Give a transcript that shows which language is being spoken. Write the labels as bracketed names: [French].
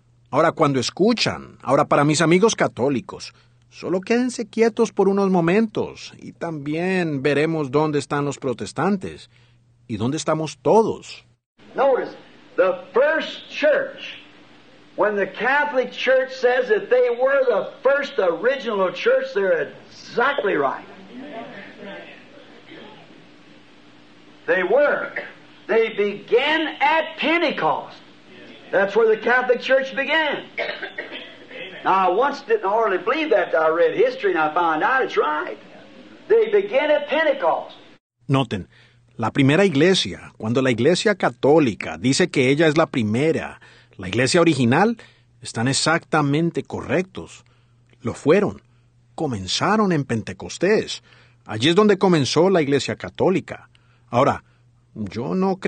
[Spanish] Ahora, cuando escuchan, ahora para mis amigos católicos, solo quédense quietos por unos momentos y también veremos dónde están los protestantes y dónde estamos todos. [English] Notice, the first church, when the Catholic Church says that they were the first original church, they're exactly right. They were. They began at Pentecost. That's where the Catholic Church began. Now, I once didn't hardly believe that. I read history and I found out it's right. They began at Pentecost. [Spanish] Noten, la primera iglesia, cuando la iglesia católica dice que ella es la primera, la iglesia original, están exactamente correctos. Lo fueron. Comenzaron en Pentecostés. Allí es donde comenzó la iglesia católica. Ahora, yo no creo.